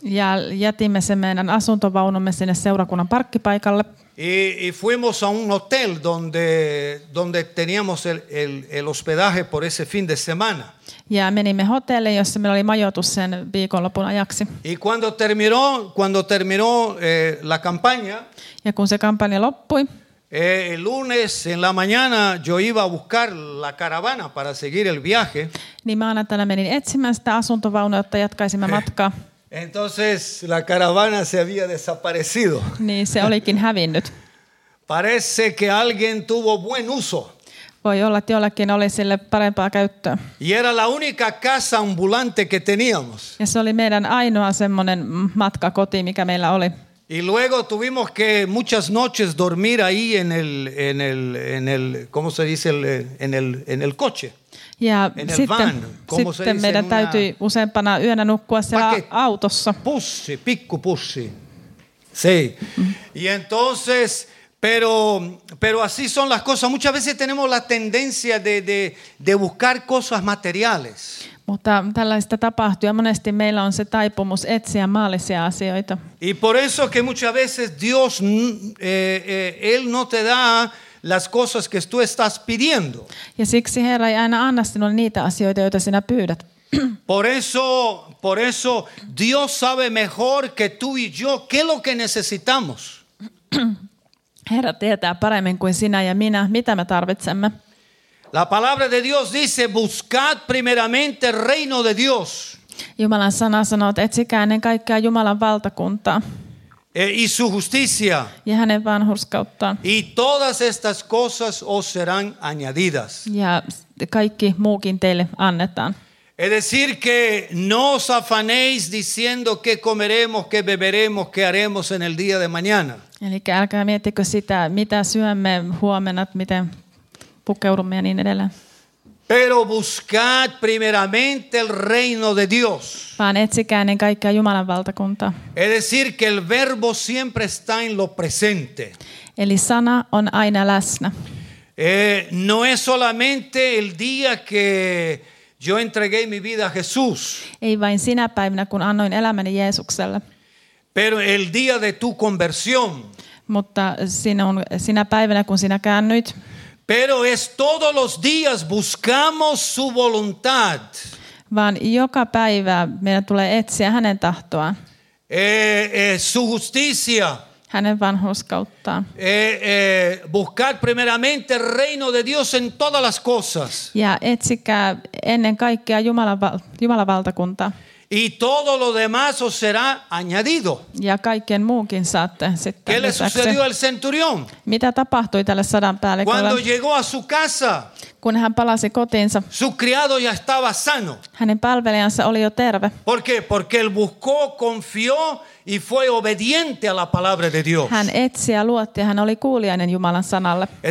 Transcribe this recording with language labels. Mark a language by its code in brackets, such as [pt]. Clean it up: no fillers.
[fi] Ja jätimme sen meidän asuntovaunumme sinne seurakunnan parkkipaikalle. [es] Y fuimos a un hotel donde teníamos el hospedaje por ese fin de semana. [fi] Ja menimme hotelle, jossa meillä oli majoitus sen viikonlopun ajaksi. [es] Y cuando terminó la campaña. [fi] Ja kun se kampanja loppui. [es] El lunes en la mañana yo iba a buscar la caravana para seguir el viaje. [fi] Niin maanantaina menin etsimään sitä asuntovaunua, jotta jatkaisimme matkaa. [es] Entonces la caravana se había desaparecido. [fi] Niin se olikin hävinnyt. [es] Parece que alguien tuvo buen uso. [fi] Voi olla, että jollakin oli sille parempaa käyttöä. [es] Y era la única casa ambulante que teníamos. [fi] Ja se oli meidän ainoa semmoinen matkakoti, mikä meillä oli. [es] Y luego tuvimos que muchas noches dormir ahí en el ¿cómo se dice? En el coche. [fi] Ja sitten meidän täytyi useampana yönä nukkua siellä autossa. Pussi, pikku pussi. [es] Sí. Y entonces, pero así son las cosas. Muchas veces tenemos la tendencia de buscar cosas materiales. [fi] Mutta tällaista tapahtuu ja monesti meillä on se taipumus etsiä maallisia asioita. [es] Y por eso que muchas veces Dios él no te da las cosas que tú estás pidiendo. [fi] Ja siksi Herra ei aina anna sinulle niitä asioita, joita sinä pyydät. [es] Por eso Dios sabe mejor que tú y yo qué es lo que necesitamos. [fi] Herra tietää paremmin kuin sinä ja minä, mitä me tarvitsemme. [es] La palabra de Dios dice, buscad primeramente el reino de Dios. [fi] Jumalan sana sanoo, että etsikää ennen kaikkea Jumalan valtakuntaa. [es] Y su justicia. [fi] Ja hänen vanhurskauttaan. [es] Y todas estas cosas os serán añadidas. [fi] Ja kaikki muukin teille annetaan. [es] Es decir que no os afanéis diciendo qué comeremos, qué beberemos, qué haremos en el día de mañana. [fi] Eli älkää miettikö sitä, mitä syömme huomenna, miten pukeudumme ja niin edelleen. [es] Pero buscad primeramente el reino de Dios. [fi] Vaan etsikää ennen kaikkea Jumalan valtakuntaa. [es] Es decir que el verbo siempre está en lo presente. [fi] Eli sana on aina läsnä. [es] No es solamente el día que yo entregué mi vida a Jesús. [fi] Ei vain sinä päivänä, kun annoin elämäni Jeesukselle. [es] Pero el día de tu conversión. [fi] Mutta sinä päivänä, kun sinä käännyit. [es] Pero es todos los días buscamos su voluntad. [fi] Vaan joka päivä meidän tulee etsiä hänen tahtoaan. [es] Su justicia. [fi] Hänen vanhurskauttaan. [es] Buscar primeramente el reino de Dios en todas las cosas. [fi] Ja etsikää ennen kaikkea Jumalan valtakuntaa. [es] Y todo lo demás os será añadido. [fi] Ja kaiken muukin saatte sitten. [es] ¿Qué le sucedió al centurión? [fi] Mitä tapahtui tälle sadan päällikölle? [es] Cuando llegó a su casa. [fi] Kun hän palasi kotiinsa. [es] Su criado ya estaba sano. [fi] Hänen palvelijansa oli jo terve. [es] ¿Por qué? Porque él buscó, confió y fue obediente a la palabra de Dios. [fi] Hän etsi ja luotti, hän oli kuulijainen Jumalan sanalle.